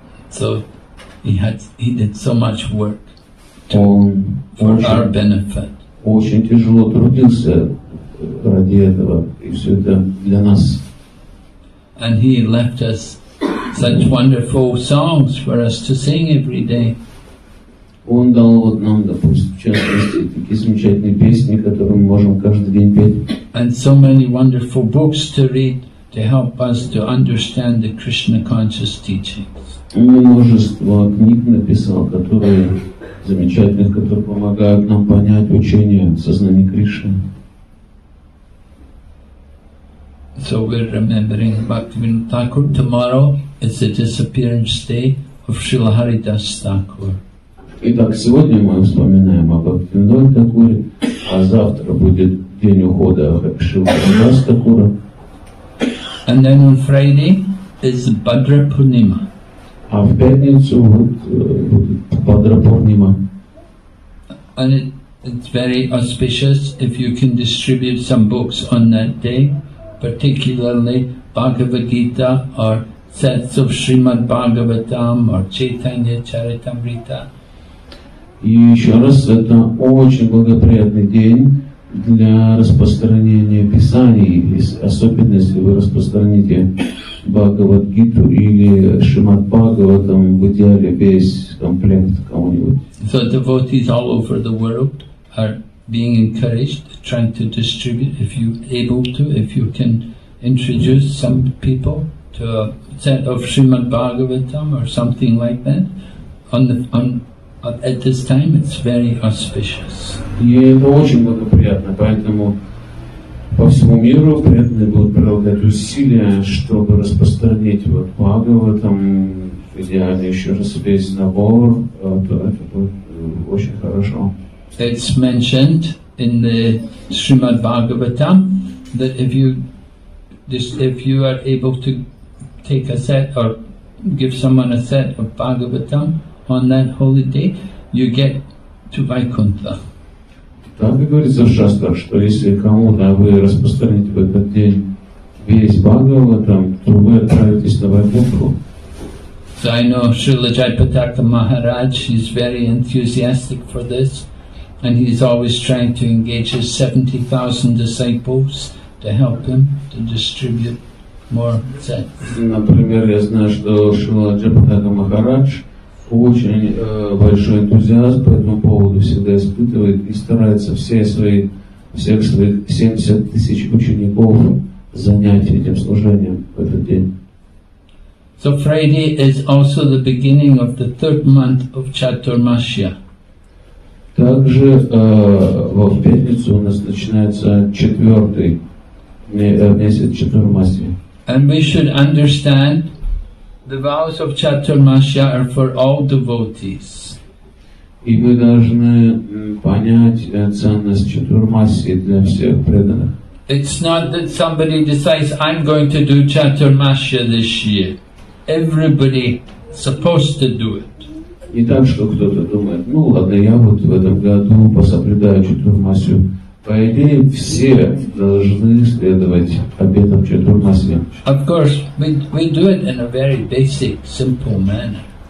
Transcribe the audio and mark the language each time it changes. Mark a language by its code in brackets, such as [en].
[en] So he did so much work for our benefit. [ru] Очень тяжело трудился ради этого, и все это для нас. [en] And he left us such wonderful songs for us to sing every day. [ru] Он дал вот нам, допустим, в частности, такие замечательные песни, которые мы можем каждый день петь. [en] And so many wonderful books to read to help us to understand the Krishna conscious teachings. [ru] Он множество книг написал, которые замечательные, которые помогают нам понять учение сознания Кришны. [en] So we're remembering Bhaktivinoda Thakur. Tomorrow is the disappearance day of Srila Haridas Thakur. [ru] Итак, сегодня мы вспоминаем о Бхактивиноде Такуре, а завтра будет день ухода Шрила Харидас Такура. [en] And then on Friday is Бхадра Пурнима. [ru] А в пятницу будет Бхадра Пурнима. [en] And it's very auspicious if you can distribute some books on that day. Particularly Bhagavad Gita or sets of Srimad Bhagavatam or Chaitanya Charitamrita. [ru] И еще раз, это очень благоприятный день для распространения Писаний, особенно если вы распространите Бхагавад Гиту или Шримад Бхагаватам, в идеале весь комплект кому-нибудь. [en] So devotees all over the world are being encouraged, trying to distribute, if you able to, if you can introduce some people to a set of Srimad Bhagavatam or something like that, at this time, it's very auspicious. [ru] Это очень благоприятно, поэтому по всему миру преданные будут прилагать усилия, чтобы распространить вот Бхагаватам, в идеале еще раз весь набор, то это будет очень хорошо. [en] It's mentioned in the Srimad Bhagavatam that if you are able to take a set or give someone a set of Bhagavatam on that holy day, you get to Vaikuntha. [ru] Так говорится в шастрах, что если кому-то вы распространите в этот день весь Бхагаватам, то вы отправитесь на Вайкунтху. [en] So I know Srila Jaipataka Maharaj is very enthusiastic for this. And he's always trying to engage his 70,000 disciples to help him to distribute more sets. [ru] Например, я знаю, что Шрила Джапатака Махарадж очень большой энтузиаст по этому поводу всегда испытывает и старается всех своих 70 тысяч учеников занять этим служением в этот день. [en] So Friday is also the beginning of the third month of Chaturmasya. [ru] Также в пятницу у нас начинается месяц Чатурмасия. [en] And we should understand the vows of Chaturmasya are for all devotees. [ru] И мы должны понять ценность Чатурмасии для всех преданных. [en] It's not that somebody decides I'm going to do Chaturmasya this year. Everybody supposed to do it. [ru] Не так, что кто-то думает, ну ладно, я вот в этом году пособлюдаю Чатурмасию. По идее, все должны следовать обетам Чатурмасии. [en] Of course, we do it in a very basic, simple manner.